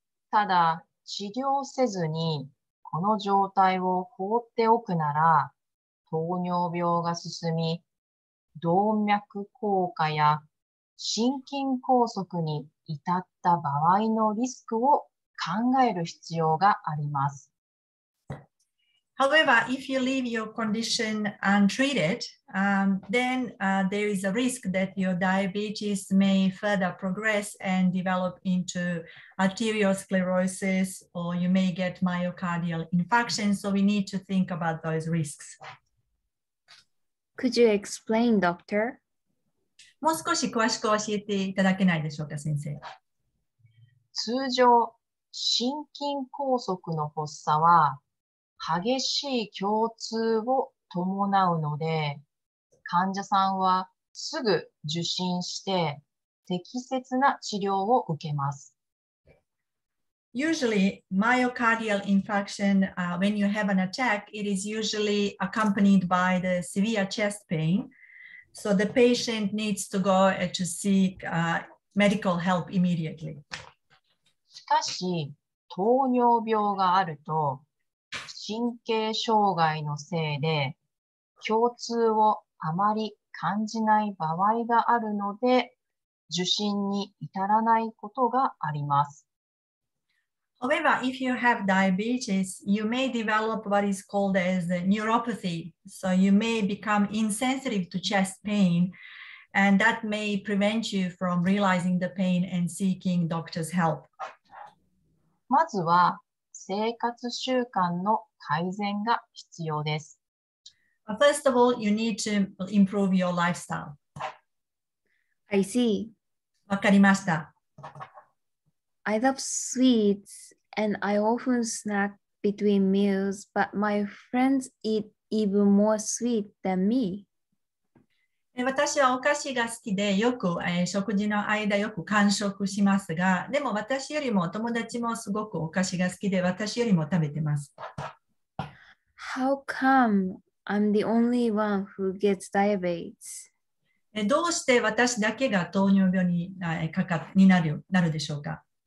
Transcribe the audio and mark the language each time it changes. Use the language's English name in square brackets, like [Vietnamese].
[Japanese] ただ、治療せずにこの状態を放っておくなら、糖尿病が進み、動脈硬化や心筋梗塞に至った場合のリスクを考える必要があります。 [English] However, if you leave your condition untreated, then there is a risk that your diabetes may further progress and develop into arteriosclerosis, or you may get myocardial infarction. So we need to think about those risks. Could you explain, doctor? [Japanese] もう少し詳しく教えていただけないでしょうか、先生。通常、心筋梗塞の発作は激しい胸痛を伴うので、患者さんはすぐ受診して適切な治療を受けます。 [English] Usually, myocardial infarction, when you have an attack, it is usually accompanied by the severe chest pain. So the patient needs to go to seek medical help immediately. [Japanese] しかし、糖尿病があると、神経障害のせいで、胸痛をあまり感じない場合があるので、受診に至らないことがあります。 [English] However, if you have diabetes, you may develop what is called as neuropathy. So you may become insensitive to chest pain, and that may prevent you from realizing the pain and seeking doctor's help. [Japanese] まずは生活習慣の改善が必要です。 [English] First of all, you need to improve your lifestyle. I see. [Japanese] わかりました。 [English] I love sweets and I often snack between meals, but my friends eat even more sweet than me. [Japanese] 私はお菓子が好きでよく、食事の間よく間食しますが、でも私よりも友達もすごくお菓子が好きで私よりも食べてます。 [English] How come I'm the only one who gets diabetes? [Japanese] どうして私だけが糖尿病になるでしょうか?